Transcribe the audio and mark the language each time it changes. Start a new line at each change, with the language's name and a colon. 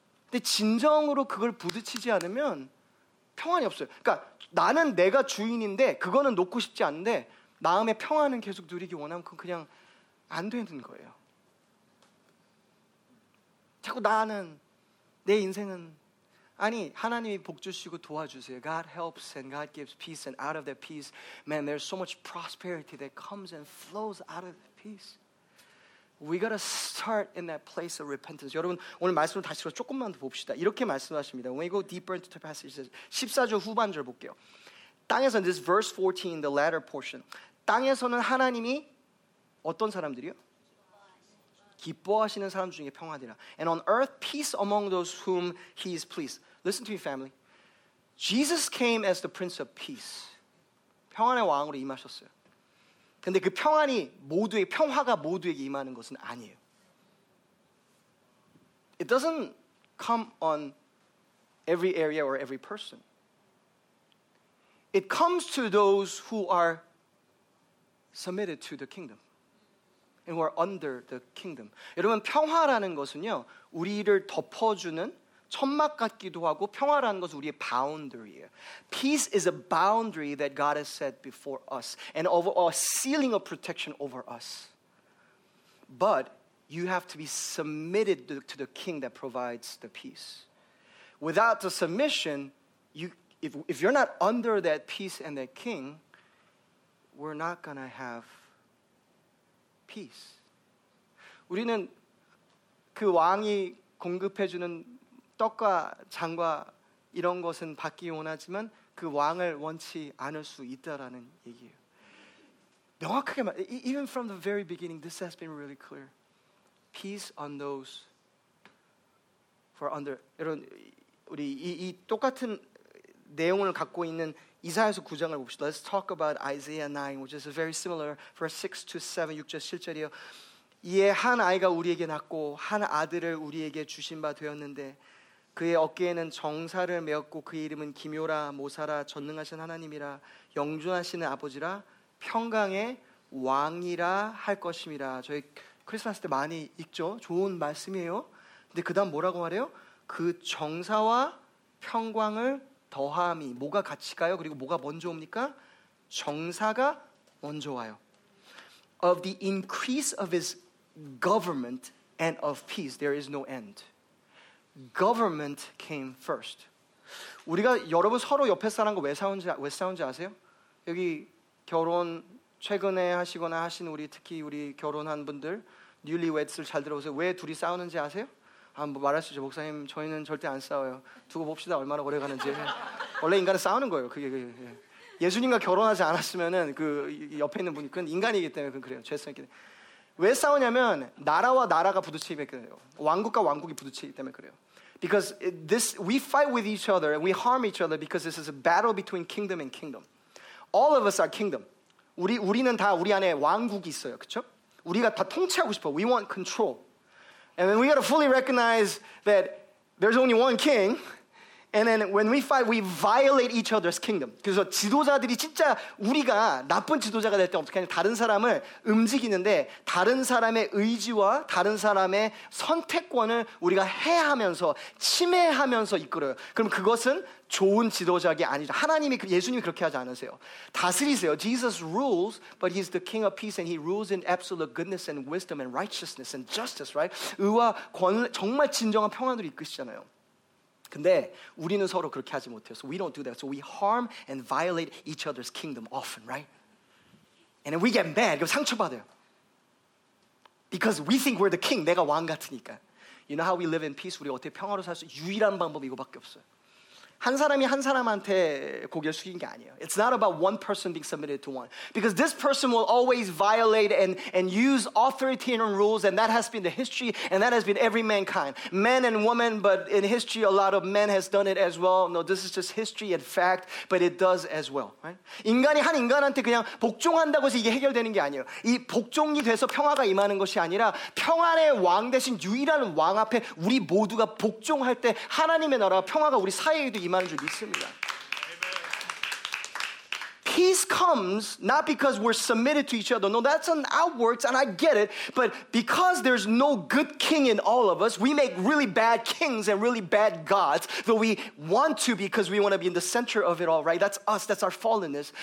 Korean: 근데 진정으로 그걸 부딪히지 않으면 평안이 없어요. 그러니까 나는 내가 주인인데 그거는 놓고 싶지 않은데 마음의 평안은 계속 누리기 원하면 그건 그냥 안 되는 거예요. 자꾸 나는 내 인생은 아니 하나님이 복 주시고 도와주세요.
English: God helps and God gives peace and out of that peace man there's so much prosperity that comes and flows out of that peace. We gotta start in that place of repentance.
Korean: 여러분 오늘 말씀을 다시 조금만 더 봅시다. 이렇게 말씀하십니다.
English: When we go deeper into the passage,
Korean: 14절 후반절 볼게요. 땅에서는,
English: this is verse 14, the latter portion.
Korean: 땅에서는 하나님이 어떤 사람들이요? 기뻐하시는 사람 중에 평화되라.
English: And on earth, peace among those whom he is pleased. Listen to me, family. Jesus came as the Prince of Peace.
Korean: 평안의 왕으로 임하셨어요. 근데 그 평안이 모두에게, 평화가 모두에게 임하는 것은 아니에요.
English: It doesn't come on every area or every person. It comes to those who are submitted to the kingdom and who are under the kingdom.
Korean: 여러분, 평화라는 것은요, 우리를 덮어주는 천막 같기도 하고 평화라는 것은 우리의 boundary예요.
English: Peace is a boundary that God has set before us and over a ceiling of protection over us. But you have to be submitted to the king that provides the peace. without the submission, if you're not under that peace and that king, we're not going to have peace.
Korean: 우리는 그 왕이 공급해주는 떡과 장과 이런 것은 받기 원하지만 그 왕을 원치 않을 수 있다라는 얘기예요. 명확하게 말,
English: even from the very beginning, this has been really clear. Peace on those who are under.
Korean: 이런 우리 이 똑같은 내용을 갖고 있는 이사야서 9장을 봅시다.
English: Let's talk about Isaiah 9, which is a very similar verse 6 to 7,
Korean: 6절, 7절이요. 이에 한 아이가 우리에게 낳고 한 아들을 우리에게 주신 바 되었는데 그의 어깨에는 정사를 메었고 그의 이름은 기묘라, 모사라, 전능하신 하나님이라, 영존하시는 아버지라, 평강의 왕이라 할 것임이라. 저희 크리스마스 때 많이 읽죠. 좋은 말씀이에요. 근데 그 다음 뭐라고 말해요? 그 정사와 평강을 더함이. 뭐가 같이 가요? 그리고 뭐가 먼저 옵니까? 정사가 먼저 와요.
English: Of the increase of his government and of peace, there is no end. Government came first.
Korean: 우리가 여러분 서로 옆에 사람과 왜 싸운지 아세요? 여기 결혼 최근에 하시거나 하신 우리 특히 우리 결혼한 분들 newlyweds를 잘 들어보세요. 왜 둘이 싸우는지 아세요? 한번 말할 수 있죠. 목사님 저희는 절대 안 싸워요. 두고 봅시다 얼마나 오래 가는지. 원래 인간은 싸우는 거예요. 그게 예수님과 결혼하지 않았으면은 그 옆에 있는 분이 그건 인간이기 때문에 그래요. 죄송 있게. 왜 싸우냐면 나라와 나라가 부딪히기 때문에요. 왕국과 왕국이 부딪히기 때문에 그래요.
English: Because this we fight with each other and we harm each other because this is a battle between kingdom and kingdom. All of us are kingdom.
Korean: 우리는 다 우리 안에 왕국이 있어요. 그렇죠? 우리가 다 통치하고 싶어.
English: We want control. And then we got to fully recognize that there's only one king. And then when we fight, we violate each other's kingdom.
Korean: 그래서 지도자들이 진짜 우리가 나쁜 지도자가 될 때 어떻게 하냐? 다른 사람을 움직이는데 다른 사람의 의지와 다른 사람의 선택권을 우리가 해하면서 침해하면서 이끌어요. 그럼 그것은 좋은 지도자가 아니죠. 하나님이 예수님이 그렇게 하지 않으세요. 다스리세요.
English: Jesus rules, but he's the king of peace and he rules in absolute goodness and wisdom and righteousness and justice, right?
Korean: 의와 권 정말 진정한 평안으로 이끄시잖아요. 근데 우리는 서로 그렇게 하지 못해요.
English: So we don't do that. So we harm and violate each other's kingdom often, right? And then we get mad.
Korean: 그럼 상처받아요.
English: Because we think we're the king.
Korean: 내가 왕 같으니까.
English: You know how we live in peace?
Korean: 우리 어떻게 평화로 살 수 유일한 방법이 이거밖에 없어요. 한 사람이 한 사람한테 고개 숙인 게 아니에요.
English: It's not about one person being submitted to one. Because this person will always violate and use authoritarian rules and that has been the history and that has been every mankind. Men and women, but in history a lot of men has done it as well. No, this is just history and fact, but it does as well. Right?
Korean: 인간이 한 인간한테 그냥 복종한다고 해서 이게 해결되는 게 아니에요. 이 복종이 돼서 평화가 임하는 것이 아니라 평안의 왕 대신 유일한 왕 앞에 우리 모두가 복종할 때 하나님의 나라 평화가 우리 사회에도 이만한 줄 믿습니다.
English: Peace comes not because we're submitted to each other. No, that's an outworks, and I get it. But because there's no good king in all of us, we make really bad kings and really bad gods, though we want to because we want to be in the center of it all, right? That's us. That's our fallenness.